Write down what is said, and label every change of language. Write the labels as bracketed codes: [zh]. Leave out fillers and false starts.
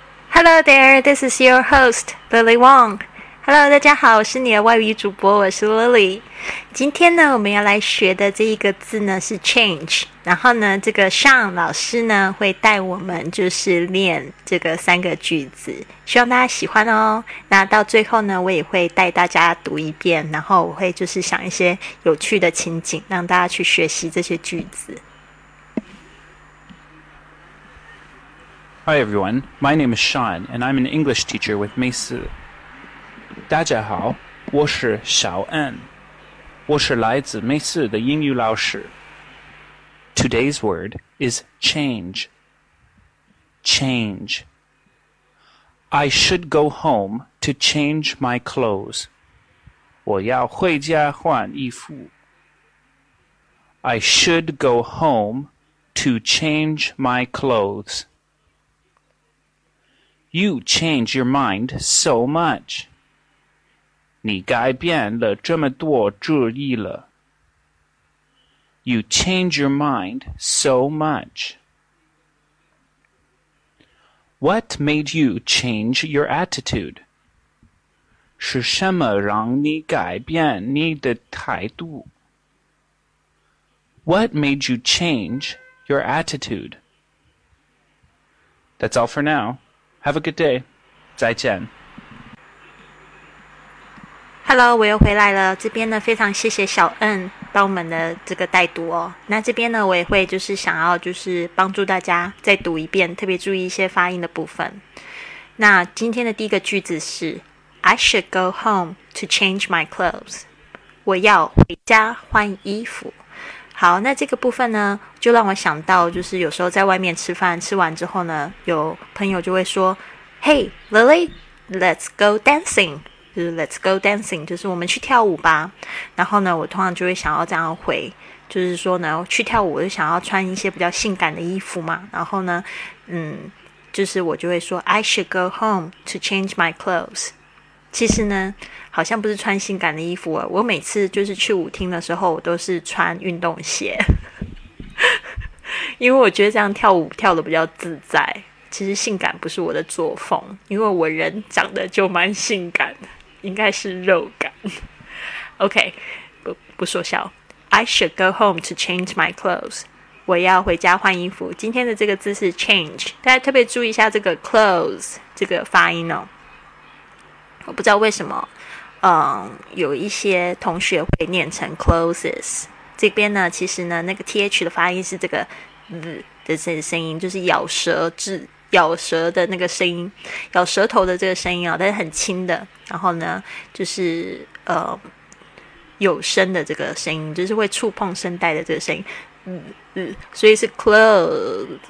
[en] Hello there, this is your host, Lily Wong. Hello, [zh] 大家好，我是你的外语主播，我是 Lily。今天呢，我们要来学的这一个字呢是 change。然后呢，这个 Sean 老师呢会带我们就是练这个三个句子，希望大家喜欢哦。那到最后呢，我也会带大家读一遍，然后我会就是想一些有趣的情景，让大家去学习这些句子。 [en] Hi everyone, my name is Sean, and I'm an English teacher with Meisu. [zh] 大家好，我是小恩，我是来自Meisu的英语老师。 [en] Today's word is change. Change. I should go home to change my clothes. [zh] 我要回家换衣服。 [en] I should go home to change my clothes. You change your mind so much. [zh] 你改变了这么多主意了。 [en] You change your mind so much. What made you change your attitude? [zh] 是什么让你改变你的态度? [en] What made you change your attitude? That's all for now. Have a good day. [zh] 再见。 [en] Hello, [zh] 我又回来了。这边呢，非常谢谢小恩帮我们的这个带读哦。那这边呢，我也会就是想要就是帮助大家再读一遍，特别注意一些发音的部分。那今天的第一个句子是 [en] I should go home to change my clothes. [zh] 我要回家换衣服。好，那这个部分呢，就让我想到，就是有时候在外面吃饭，吃完之后呢，有朋友就会说 [en] Hey, Lily, let's go dancing. Let's go dancing, [zh] 就是我们去跳舞吧。然后呢，我通常就会想要这样回，就是说呢，去跳舞我就想要穿一些比较性感的衣服嘛。然后呢，就是我就会说 [en] I should go home to change my clothes. [zh] 其实呢，好像不是穿性感的衣服了。我每次就是去舞厅的时候，我都是穿运动鞋，因为我觉得这样跳舞跳得比较自在。其实性感不是我的作风，因为我人长得就蛮性感的，应该是肉感。 OK， 不说笑。 [en] I should go home to change my clothes. [zh] 我要回家换衣服。今天的这个字是 change， 大家特别注意一下这个 clothes 这个发音哦。我不知道为什么有一些同学会念成 closes。这边呢其实呢那个 th 的发音是这个 th 的这个声音，就是咬舌的那个声音，咬舌头的这个声音啊，但是很轻的，然后呢就是有声的这个声音，就是会触碰声带的这个声音 th, 所以是 closes。